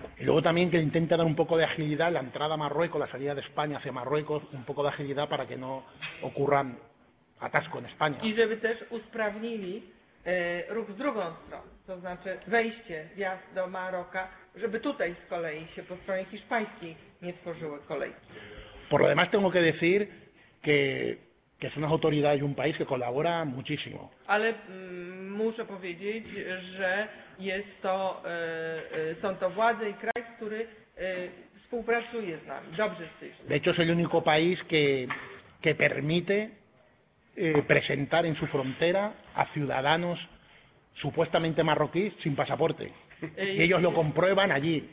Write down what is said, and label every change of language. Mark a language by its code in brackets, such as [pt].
[es] Y luego también que intenten dar un poco de agilidad la entrada a Marruecos, la salida de España hacia Marruecos, un poco de agilidad para que no ocurran atasco en España. [pl] I żeby też usprawnili ruch w drugą stronę, to znaczy wejście, wjazd do Maroka, żeby tutaj z kolei się po stronie hiszpańskiej nie tworzyły kolejki. [es] Por lo demás tengo que decir que son las autoridades de un país que colabora muchísimo. [pl] Ale muszę powiedzieć, że jest to, są to władze i kraj, który współpracuje z nami, dobrze z tym. [es] De hecho es el único país que permite presentar en su frontera a ciudadanos supuestamente marroquíes sin pasaporte. Y ellos lo comprueban allí.